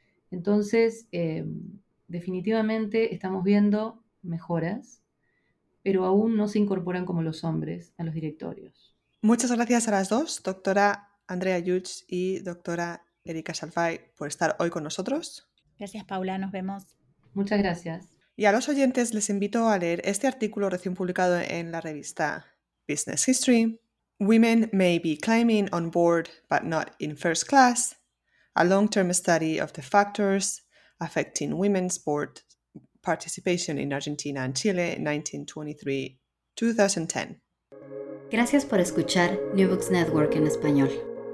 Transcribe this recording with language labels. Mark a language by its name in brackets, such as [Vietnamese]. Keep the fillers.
[Spanish] Entonces, eh, definitivamente estamos viendo mejoras, pero aún no se incorporan como los hombres a los directorios. Muchas gracias a las dos, doctora Andrea Yuch y doctora Erika Salfay, por estar hoy con nosotros. Gracias, Paula. Nos vemos. Muchas gracias. Y a los oyentes les invito a leer este artículo recién publicado en la revista Business History. [English] Women may be climbing on board but not in first class. A long-term study of the factors affecting women's board participation in Argentina and Chile 1923-2010. [Spanish] Gracias por escuchar New Books Network en español.